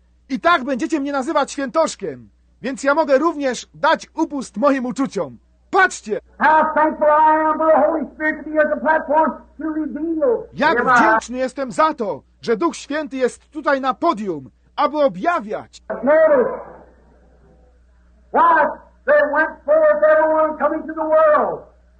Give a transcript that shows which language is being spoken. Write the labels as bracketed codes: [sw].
[pl] I tak będziecie mnie nazywać świętoszkiem, więc ja mogę również dać upust moim uczuciom. Patrzcie! [en] How thankful I am for the Holy Spirit to be as a platform to reveal. [pl] Jak wdzięczny jestem za to, że Duch Święty jest tutaj na podium, aby objawiać. [en] What? They went forth, everyone coming to the world.